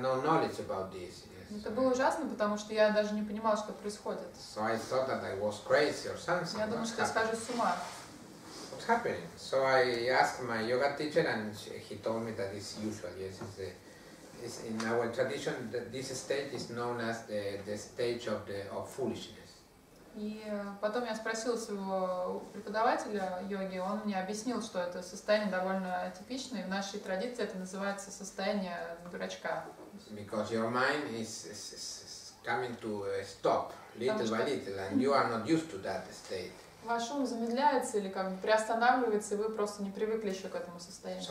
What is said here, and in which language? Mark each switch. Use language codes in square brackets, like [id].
[ru] Это было ужасно, потому что я даже не понимал, что происходит. [en] So I thought that I was crazy or something. [ru] Я думал, что я схожу с ума. [en] What's happening? So I asked my yoga teacher, and he told me that it's usual, yes, it's the... It's in our tradition, this stage is known as the stage of foolishness. [ru] И потом я спросил своего преподавателя йоги, он мне объяснил, что это состояние довольно типичное, и в нашей традиции это называется состояние дурачка. [en] Because your mind is coming to stop little by little, and you are not used to that state. [ru] Ваш ум замедляется или как бы приостанавливается, и вы просто не привыкли еще к этому состоянию.